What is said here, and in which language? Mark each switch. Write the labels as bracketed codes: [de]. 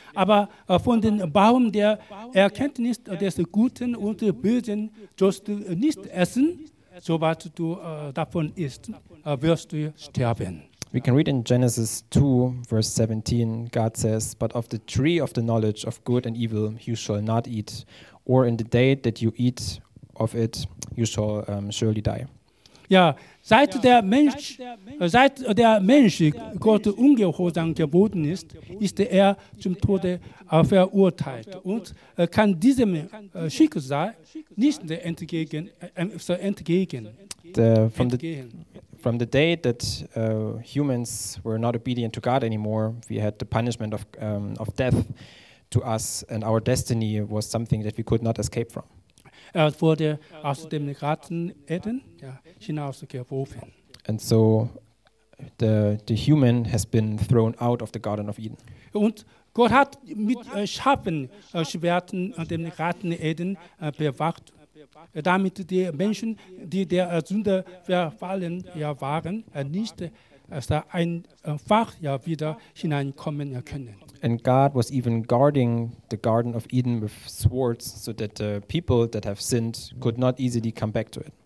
[de] Aber von dem Baum der Erkenntnis des Guten und des Bösen sollst du nicht essen, sobald du davon isst, wirst du sterben. [en] We can read in Genesis 2, verse 17, God says, "But of the tree of the knowledge of good and evil you shall not eat, or in the day that you eat of it you shall surely die." [de] Ja, seit der Mensch Gott ungehorsam geworden ist, ist er zum Tode verurteilt und kann diesem Schicksal nicht entgegen. [en] From the day that humans were not obedient to God anymore, we had the punishment of death to us, and our destiny was something that we could not escape from. [de] Wurde aus dem Garten Eden hinausgeworfen. [en] And so the human has been thrown out of the Garden of Eden. [de] Und Gott hat mit scharfen Schwerten den Garten Eden bewacht, damit die Menschen, die der Sünde verfallen waren, nicht einfach wieder hineinkommen können. [en] And God was even guarding the Garden of Eden with swords, so that the people that have sinned could not easily come back to it.